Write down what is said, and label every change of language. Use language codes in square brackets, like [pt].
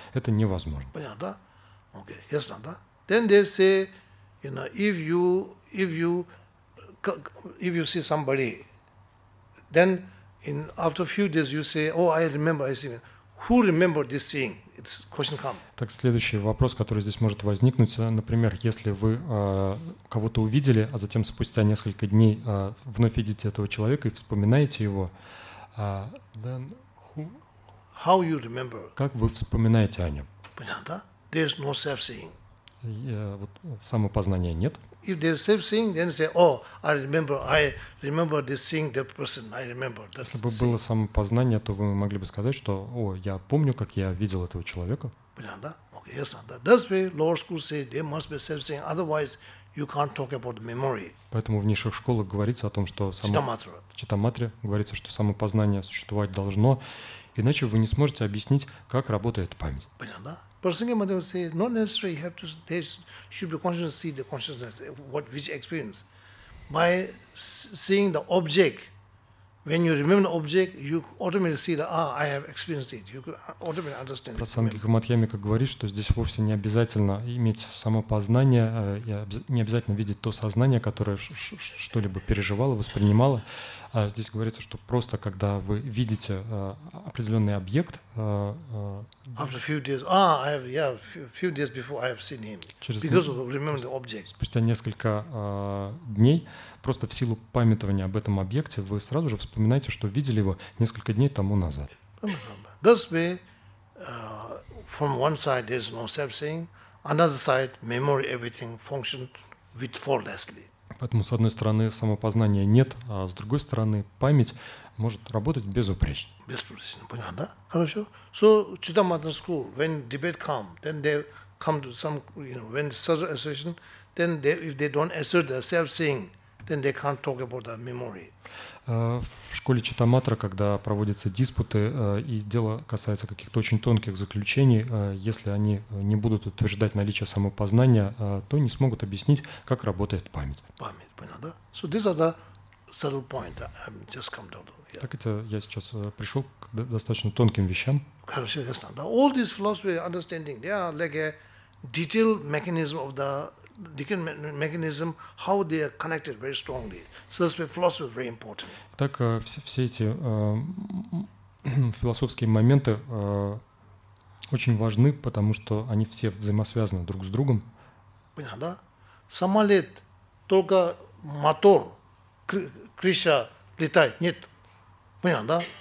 [ru] Это невозможно. Понятно, да? Okay, ясно, да? [en] Then they say, you know, if you see somebody, then in after a few days you say, oh, I remember, I see. Who remember this seeing? It's question come. [ru] Так следующий вопрос, который здесь может возникнуть, например, если вы кого-то увидели, а затем спустя несколько дней вновь видите этого человека и вспоминаете его, [en] then who? How you remember? [ru] Как вы вспоминаете о нем? Понятно, да? [en] There's no self seeing. [ru] Вот самопознания нет. [en] If they say thing, then say, oh, I remember this thing, that person, I remember. [ru] Если бы было самопознание, то вы могли бы сказать, что, о, я помню, как я видел этого человека. Понятно, да? [en] Okay, yes, [ru] да. [en] That's why lower schools say they must be self seeing, otherwise you can't talk about memory. [ru] Поэтому в низших школах говорится о том, что читаматре говорится, что самопознание существовать должно, иначе вы не сможете объяснить, как работает память. Понятно, да? [en] Personally, my mother say, not necessary. You have to taste. Should be conscious. See the consciousness. What which experience? By seeing the object, when you remember the object, you automatically see that I have experienced it. You automatically understand. [ru] Прасангика Матхьямика говорит, что здесь вовсе не обязательно иметь самопознание, не обязательно видеть то сознание, которое что-либо переживало, воспринимало. Здесь говорится, что просто когда вы видите определенный объект, спустя несколько дней, просто в силу памятования об этом объекте, вы сразу же вспоминаете, что видели его несколько дней тому назад. [en] This way, from one side there's no self-seeing, another side memory everything function with flawlessly. [ru] Поэтому, с одной стороны, самопознания нет, а с другой стороны, память может работать безупречно. Безупречно, понятно, да? Хорошо. [en] So, Chittamatra school, when debate come, then they come to some, you know, when such assertion, then they, if they don't assert the self-seeing, then they can't talk about the memory. [ru] В школе Читаматра, когда проводятся диспуты, и дело касается каких-то очень тонких заключений, если они не будут утверждать наличие самопознания, то не смогут объяснить, как работает память. Память, понятно, да? [en] So these are the subtle points I'm just come down to. Yeah. [ru] Так это я сейчас пришел к достаточно тонким вещам. Хорошо, ясно. [en] All these philosophy understanding, they are like a detailed mechanism of the mechanism, how they are connected very strongly. So that's why philosophy is very important. [ru] Так все эти философские моменты очень важны, потому что они все взаимосвязаны друг с другом. Понятно, да? Самолет только мотор, крыша летает. Нет. Понятно, да?